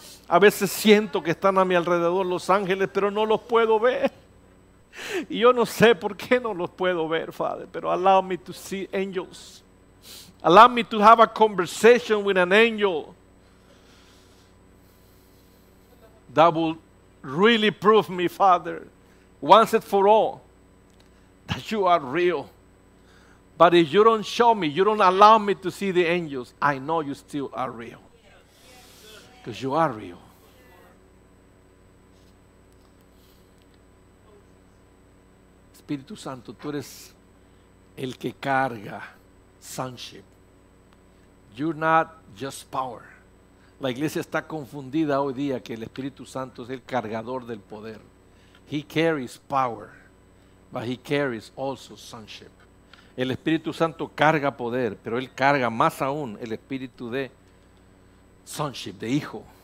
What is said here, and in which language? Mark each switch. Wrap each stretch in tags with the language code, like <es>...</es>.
<es>A veces siento que están a mi alrededor los ángeles, pero no los puedo ver. Y yo no sé por qué no los puedo ver, Father.</es> <en>Pero allow me to see angels. Allow me to have a conversation with an angel. That will really prove me, Father, once and for all, that you are real. But if you don't show me, you don't allow me to see the angels, I know you still are real. Because you are real.</en> <es>Espíritu Santo, tú eres el que carga sonship.</es> <en>You're not just power.</en> <es>La iglesia está confundida hoy día que el Espíritu Santo es el cargador del poder.</es> <en>He carries power, but he carries also sonship.</en> <es>El Espíritu Santo carga poder, pero Él carga más aún el Espíritu de sonship, de Hijo.</es>